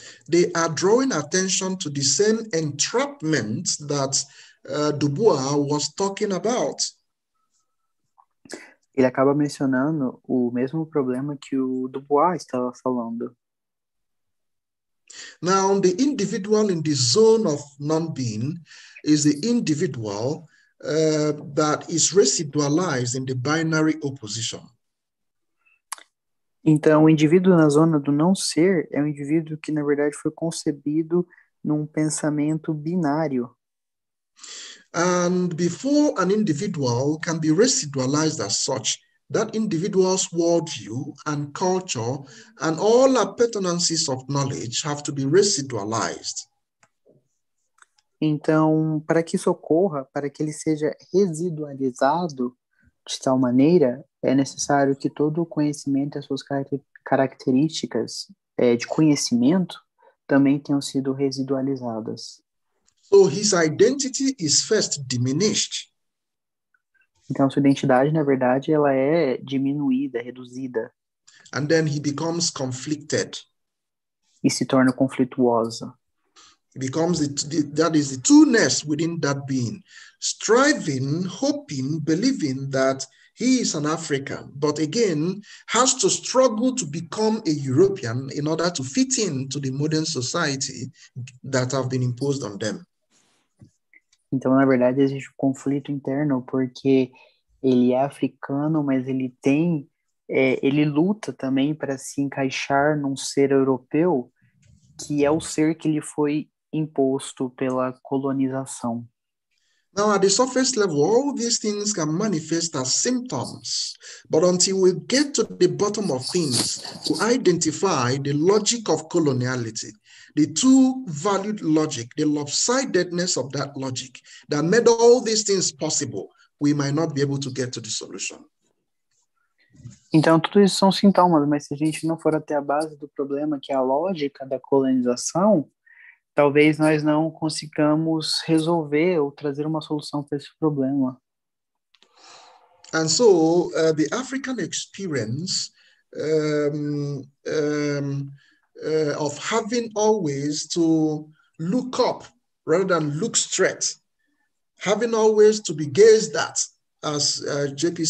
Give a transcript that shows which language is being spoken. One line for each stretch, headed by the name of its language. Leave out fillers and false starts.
English: They are drawing attention to the same entrapment that Dubois was talking about.
Portuguese: Ele acaba mencionando o mesmo problema que o Dubois estava falando.
English: Now, the individual in the zone of non-being is the individual that is residualized in the binary opposition.
Portuguese: Então, o indivíduo na zona do não ser é um indivíduo que, na verdade, foi concebido num pensamento binário.
English: And before an individual can be residualized as such, that individual's worldview and culture and all appurtenances of knowledge have to be residualized.
Portuguese: Então, para que isso ocorra, para que ele seja residualizado de tal maneira, é necessário que todo o conhecimento e as suas características de conhecimento também tenham sido residualizadas.
English: So his identity is first diminished.
Portuguese: Então, sua identidade, na verdade, ela é diminuída, reduzida.
English: And then he becomes conflicted.
Portuguese: E se torna conflituosa.
English: He becomes that is the two-ness within that being, striving, hoping, believing that he is an African, but again, has to struggle to become a European in order to fit in to the modern society that have been imposed on them.
Portuguese: Então, na verdade, existe um conflito interno, porque ele é africano, mas ele tem, ele luta também para se encaixar num ser europeu, que é o ser que lhe foi imposto pela colonização.
English: Now, at the surface level, all these things can manifest as symptoms, but until we get to the bottom of things, to identify the logic of coloniality, the two valued logic, the lopsidedness of that logic that made all these things possible, we might not be able to get to the solution.
Portuguese: Então, tudo isso são sintomas, mas se a gente não for até a base do problema, que é a lógica da colonização, talvez nós não consigamos resolver ou trazer uma solução para esse problema.
English: And so, the African experience of having always to look up rather than look straight, having always to be gazed at, as J.P.